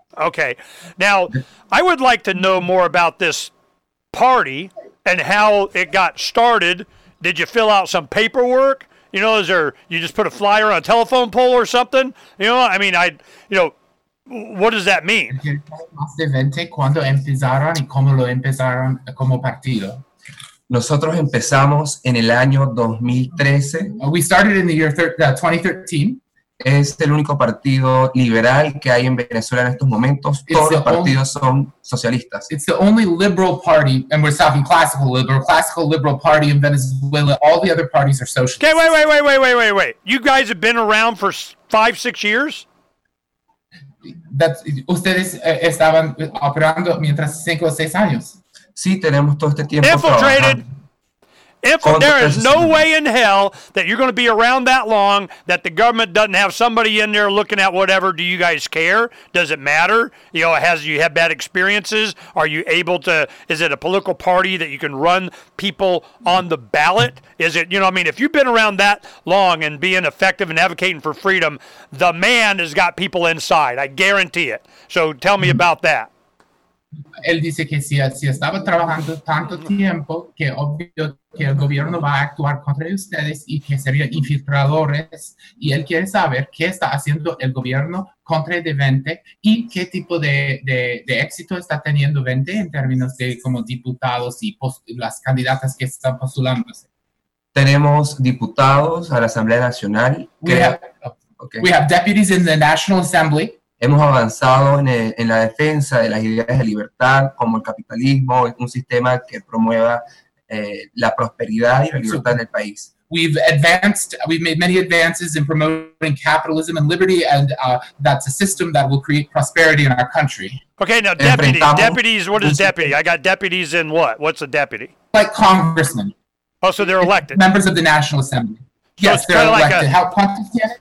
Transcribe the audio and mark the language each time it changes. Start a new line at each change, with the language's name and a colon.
English: Okay. Now, I would like to know more about this party and how it got started. Did you fill out some paperwork? You know, is there, you just put a flyer on a telephone pole or something? You know, I mean, what does that mean?
Spanish: ¿De Vente cuando empezaron y cómo lo empezaron como partido? Nosotros empezamos en el año 2013.
English: We started in the year 2013.
Spanish: Es el único partido liberal que hay en Venezuela en estos momentos. Todos los partidos son socialistas.
English: It's the only liberal party, and we're talking classical liberal party in Venezuela. All the other parties are socialists. Okay, wait. You guys have been around for 5-6 years?
Spanish: Ustedes estaban operando mientras 5 o 6 años. Sí, tenemos todo este tiempo
English: infiltrated. There is no way in hell that you're going to be around that long that the government doesn't have somebody in there looking at whatever. Do you guys care? Does it matter? You know, has you had bad experiences? Are you able to, is it a political party that you can run people on the ballot? Is it, you know, I mean, if you've been around that long and being effective and advocating for freedom, the man has got people inside. I guarantee it. So tell me about that.
Spanish: Él dice que si estaba trabajando tanto tiempo, que obvio que el gobierno va a actuar contra ustedes y que serían infiltradores. Y él quiere saber qué está haciendo el gobierno contra el de Vente y qué tipo de éxito está teniendo Vente en términos de como diputados y las candidatas que están postulándose. Tenemos diputados a la Asamblea Nacional.
English: We have deputies in the National Assembly.
Spanish: Hemos avanzado en la defensa de las ideas de libertad, como el capitalismo, un sistema que promueva la prosperidad y la libertad en el país.
English: We've advanced, we've made many advances in promoting capitalism and liberty, and that's a system that will create prosperity in our country. Okay, now deputies, what is deputy? I got deputies in what? What's a deputy? Like congressmen. Oh, so they're elected. Members of the National Assembly. So yes, they're elected. Like a, how Pontus, yeah?